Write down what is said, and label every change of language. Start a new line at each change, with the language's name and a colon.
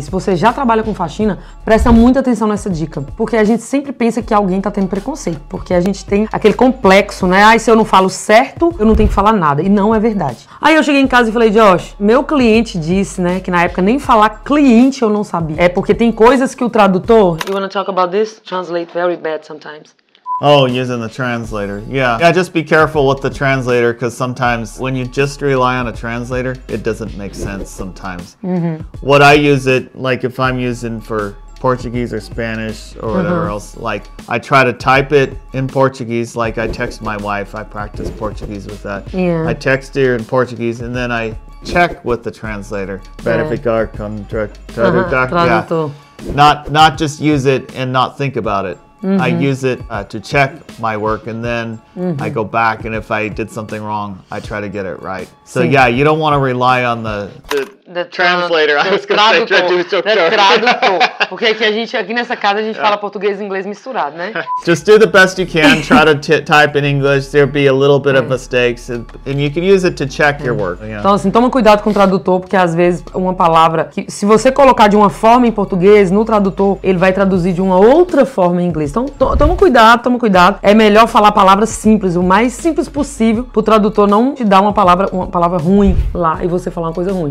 Portuguese: Se você já trabalha com faxina, presta muita atenção nessa dica. Porque a gente sempre pensa que alguém tá tendo preconceito. Porque a gente tem aquele complexo, né? Ai, se eu não falo certo, eu não tenho que falar nada. E não é verdade. Aí eu cheguei em casa e falei, Josh, meu cliente disse, né, que na época nem falar cliente eu não sabia. É porque tem coisas que o tradutor.
English: You want to talk about this? Translate very bad sometimes. Oh, using the translator. Yeah. Yeah, just be careful with the translator because sometimes when you just rely on a translator, it doesn't make sense sometimes. What I use it, like if I'm using for Portuguese or Spanish or whatever else. Like, I try to type it in Portuguese. Like, I text my wife. I practice Portuguese with that. Yeah. I text her in Portuguese, and then I check with the translator.
Portuguese: Verificar com tradutor.
English: Not just use it and not think about it. Mm-hmm. I use it to check my work, and then I go back, and if I did something wrong, I try to get it right. So yeah, you don't want to rely on the translator. I was going to say tradutor.
Portuguese: Porque aqui, aqui nessa casa a gente fala português e inglês misturado, né?
English: Just do the best you can. Try to type in English. There'll be a little bit of mistakes, and you can use it to check your work. Yeah.
Portuguese: Então assim, toma cuidado com o tradutor, porque às vezes uma palavra, que se você colocar de uma forma em português, no tradutor, ele vai traduzir de uma outra forma em inglês. Então, toma cuidado. É melhor falar palavras simples, o mais simples possível, pro tradutor não te dar uma palavra ruim lá e você falar uma coisa ruim.